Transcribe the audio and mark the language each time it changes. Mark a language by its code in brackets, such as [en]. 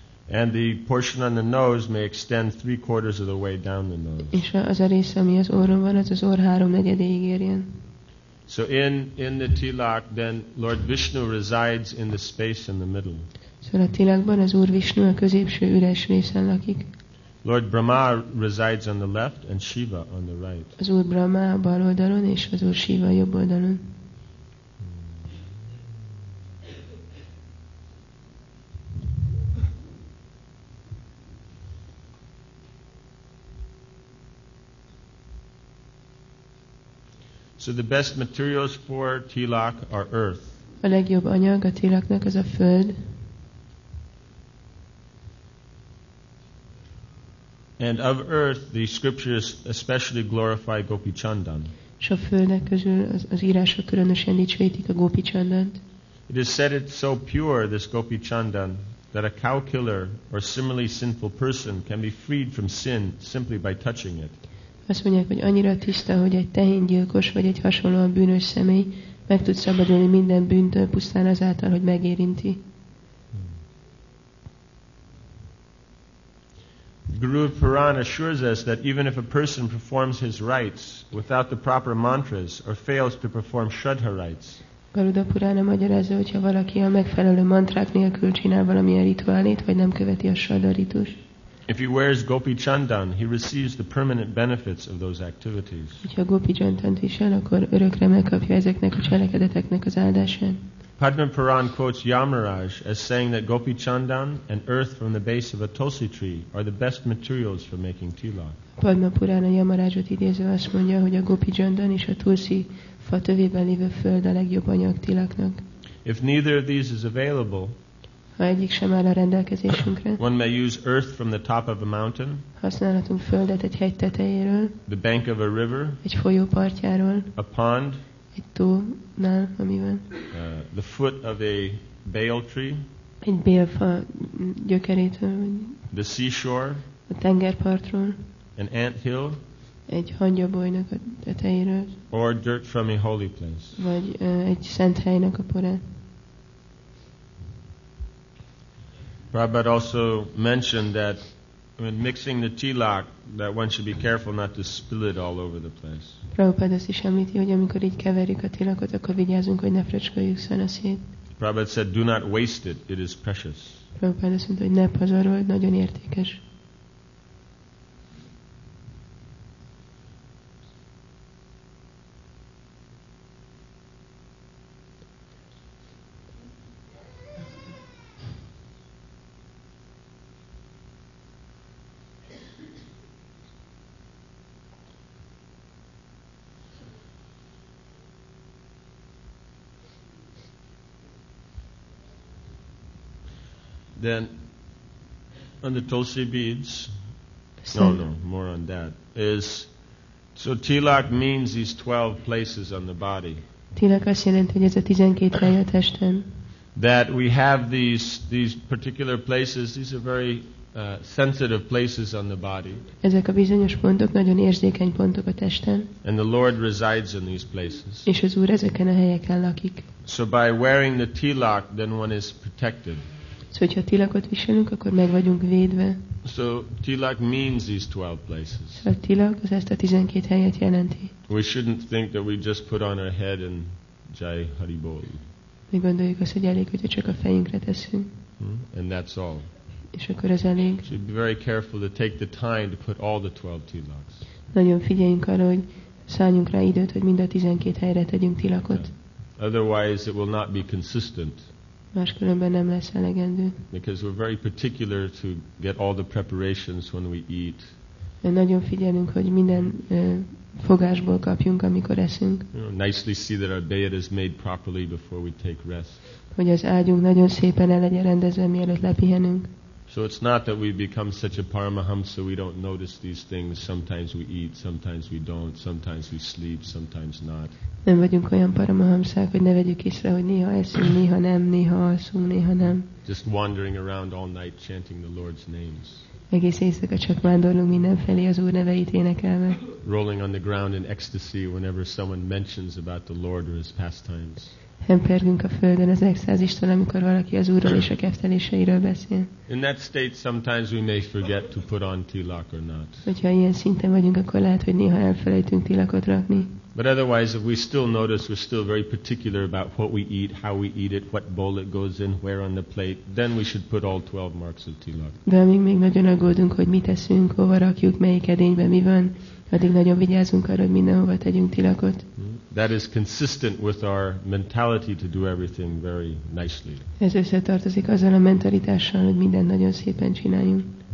[en] And the portion on the nose may extend 3/4 of the way down the nose. [hu] És az a rész, ami az orron van, az orr 3/4-ig érjen. [en] So in the tilak, then Lord Vishnu resides in the space in the middle. [hu] Szóval a tilakban az Úr Vishnu a középső üres részen lakik. [en] Lord Brahma resides on the left and Shiva on the right. [hu] Az Úr Brahma a bal oldalon és az Úr Shiva a jobb oldalon. [en] So the best materials for tilak are earth. [hu] A legjobb anyag a tilaknak az a föld. [en] And of earth, the scriptures especially glorify Gopi Chandan. [hu] És a földek közül az írások különösen dicsőítik a Gopi Chandant. [en] It is said it's so pure, this Gopi Chandan, that a cow killer or similarly sinful person can be freed from sin simply by touching it. [hu] Azt mondják, hogy annyira tiszta, hogy egy tehéngyilkos vagy egy hasonlóan bűnös személy meg tud szabadulni minden bűntől pusztán azáltal, hogy megérinti. [en] Guru Purana assures us that even if a person performs his rites without the proper mantras or fails to perform shuddha rites, [hu] Garuda Purana magyarázza, hogyha valaki a megfelelő mantrák nélkül csinál valamilyen rituálét, vagy nem követi a shuddha ritust. [en] If he wears Gopi Chandan, he receives the permanent benefits of those activities. [hu] Hogyha Gopi Chandant visel, akkor örökre megkapja ezeknek a cselekedeteknek az áldását. [en] Padma Puran quotes Yamaraj as saying that Gopi Chandan and earth from the base of a tulsi tree are the best materials for making tilak. [hu] Padma Purana Yamarajot idézve azt mondja, hogy a Gopi Chandan és a tulsi fa tövében lévő föld a legjobb anyag tilaknak. [en] If neither of these is available, [hu] ha egyik sem áll a rendelkezésünkre, [en] one may use earth from the top of a mountain, [hu] használhatunk földet egy hegy tetejéről, [en] the bank of a river, [hu] egy folyó partjáról, [en] a pond, [hu] egy tónál, amiben [en] the foot of a bale tree, [hu] egy bélfa gyökerétől, [en] the seashore, [hu] a tengerpartról, [en] an ant hill, [hu] egy hangyabolynak a tetejéről, [en] or dirt from a holy place, [hu] vagy egy szent helynek a porán. [en] Prabhupada also mentioned that when mixing the tilak, that one should be careful not to spill it all over the place. [hu] Prabhupada azt is említi, hogy amikor így keverjük a tilakot, akkor vigyázzunk, hogy ne fröcsköljük szana szét. [en] Prabhupada said, do not waste it, it is precious. [hu] Prabhupada azt mondta, hogy ne pazarold, nagyon értékes. [en] Then on the tulsi beads, more on that, is, so tilak means these 12 places on the body. [hu] Tilak azt jelenti, hogy ez a 12 hely a testen. [en] That we have these particular places, these are very sensitive places on the body. [hu] Ezek a bizonyos pontok, nagyon érzékeny pontok a testen. [en] And the Lord resides in these places. [hu] És az Úr ezeken a helyeken lakik. [en] So by wearing the tilak, then one is protected. [hu] Szóval, hogyha tilakot viselünk, akkor meg vagyunk védve. [en] So tilak means these 12 places. [hu] A tilak az ezt a 12 helyet jelenti. [en] We shouldn't think that we just put on our head and jai hari bol. [hu] Mi gondoljuk azt, hogy elég, hogyha csak a fejünkre teszünk. [en] And that's all. [hu] És akkor ez elég. [en] So be very careful to take the time to put all the 12 tilaks. [hu] Nagyon figyeljünk arra, hogy szálljunk rá időt, hogy mind a 12 helyre tegyünk tilakot. [en] Yeah. Otherwise it will not be consistent. [hu] Máskülönben nem lesz elegendő. [en] Because we're very particular to get all the preparations when we eat. [hu] Nagyon figyelünk, hogy minden fogásból kapjunk, amikor eszünk. [en] Nicely see that our bed is made properly before we take rest. [hu] Hogy az ágyunk nagyon szépen el legyen rendezve, mielőtt lepihenünk. [en] So it's not that we become such a paramahamsa, we don't notice these things. Sometimes we eat, sometimes we don't, sometimes we sleep, sometimes not. [hu] Nem vagyunk olyan paramahamsák, hogy ne vegyük észre, hogy néha eszünk, néha nem, néha alszunk, néha nem. [en] Just wandering around all night chanting the Lord's names. [hu] Egész éjszaka csak vándorlunk mindenfelé az Úr neveit énekelve. [en] Rolling on the ground in ecstasy whenever someone mentions about the Lord or his pastimes. [hu] Hempergünk a földön az extázistól, amikor valaki az Úrról és a kefteléseiről beszél. [en] In that state sometimes we may forget to put on tilak or not. [hu] Hogyha ilyen szinten vagyunk, akkor lehet, hogy néha elfelejtünk tilakot rakni. [en] But otherwise, if we still notice we're still very particular about what we eat, how we eat it, what bowl it goes in, where on the plate, then we should put all 12 marks of tilak. [hu] De amíg még nagyon aggódunk, hogy mit eszünk, hova rakjuk, melyik edényben mi van, addig nagyon vigyázunk arra, hogy mindenhova tegyünk tilakot. [en] That is consistent with our mentality to do everything very nicely. [hu] Ez összetartozik azzal a mentalitással, hogy mindent nagyon szépen csináljunk.